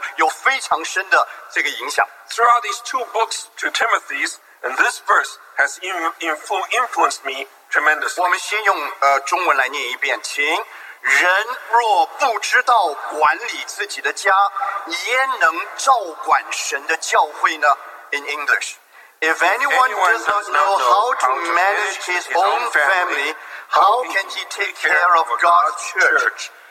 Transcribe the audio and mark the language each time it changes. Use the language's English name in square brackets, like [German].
[English] Throughout these two books to Timothy's, and this verse has influenced me tremendously. [Chinese] 我们先用中文来念一遍，请。人若不知道管理自己的家，焉能照管神的教会呢? [English] In English, if anyone does not know how to manage his own family, how can he take care of God's church?